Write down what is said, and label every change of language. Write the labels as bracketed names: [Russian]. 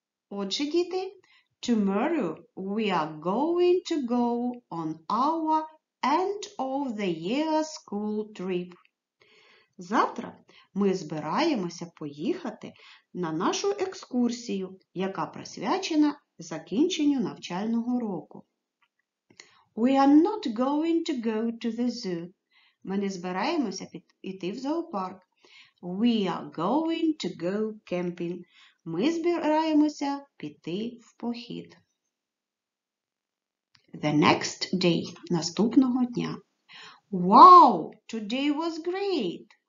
[Ukrainian] Отже, діти, [English] tomorrow we are going to go on our end of the year school trip. [Ukrainian] Завтра ми збираємося поїхати на нашу екскурсію, яка присвячена закінченню навчального року. [English] We are not going to go to the zoo. [Ukrainian] Ми не збираємося іти в зоопарк. [English] We are going to go camping. [Ukrainian] Ми збираємося піти в похід. [English] The next day. [Ukrainian] Наступного дня. [English] Wow, today was great.